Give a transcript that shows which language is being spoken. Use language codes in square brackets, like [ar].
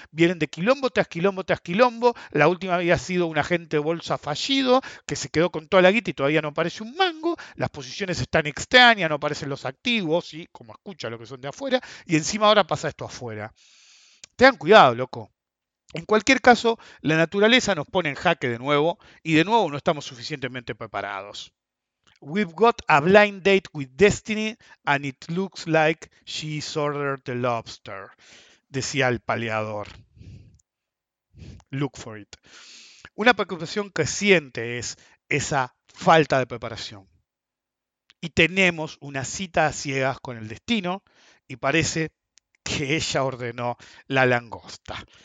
[es] Vienen de quilombo tras quilombo tras quilombo. La última había sido un agente de bolsa fallido que se quedó con toda la guita y todavía no aparece un mango. Las posiciones están extrañas, no aparecen los activos, ¿sí? Como escucha lo que son de afuera. Y encima ahora pasa esto afuera. Tengan cuidado, loco. En cualquier caso, la naturaleza nos pone en jaque de nuevo y de nuevo no estamos suficientemente preparados. [en] We've got a blind date with destiny and it looks like she's ordered the lobster, [es] decía el paleador. [en] Look for it. [es] Una preocupación creciente es esa falta de preparación. Y tenemos una cita a ciegas con el destino y parece que ella ordenó la langosta.